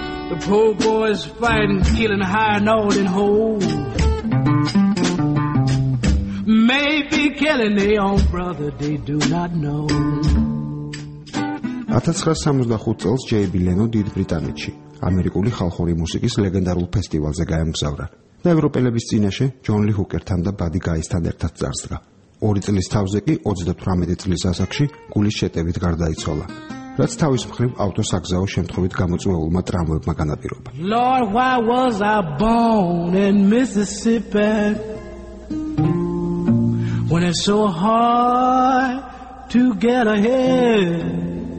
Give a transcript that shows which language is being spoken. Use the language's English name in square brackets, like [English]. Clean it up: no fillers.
[English] The poor boys fighting, killing high and old and whole. Maybe killing their own brother they do not know. [Georgian] 1965 წელს ჯეი ლენო დიდ ბრიტანეთში ამერიკული ხალხური მუსიკის ლეგენდარულ ფესტივალზე გამგზავრდა და ევროპელების წინაშე ჯონ ლი ჰუკერთან და ბადი გაისთან ერთად წარსდგა. ორი წლის თავზე კი 38 წლის ასაკში გულის შეტევით გარდაიცვალა, რაც თავის მხრივ ავტოსაგზაო შემთხვევით გამოწვეულმა ტრამვებმა განაპირობა. [English] Lord, why was I born in Mississippi when it's so hard to get ahead?